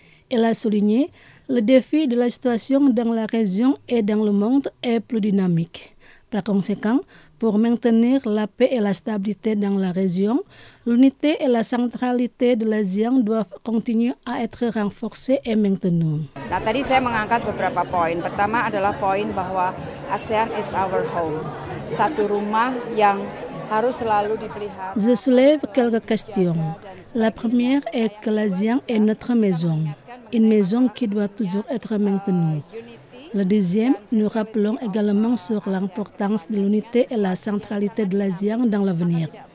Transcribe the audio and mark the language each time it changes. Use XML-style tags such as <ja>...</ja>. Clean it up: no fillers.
<fr>Elle a souligné « Le défi de la situation dans la région et dans le monde est plus dynamique. Par conséquent, pour maintenir la paix et la stabilité dans la région, l'unité et la centralité de l'ASEAN doivent continuer à être renforcées et maintenues.</fr> <id>Nah, tadi saya mengangkat beberapa poin. Pertama adalah poin bahwa ASEAN</id> <en>is our home.</en> <id>Satu rumah yang harus selalu dipelihara.</id> <fr>Je soulève quelques questions. La première est que l'ASEAN est notre maison, une maison qui doit toujours être maintenue. Le deuxième, nous rappelons également sur l'importance de l'unité et la centralité de l'ASEAN dans l'avenir.</fr>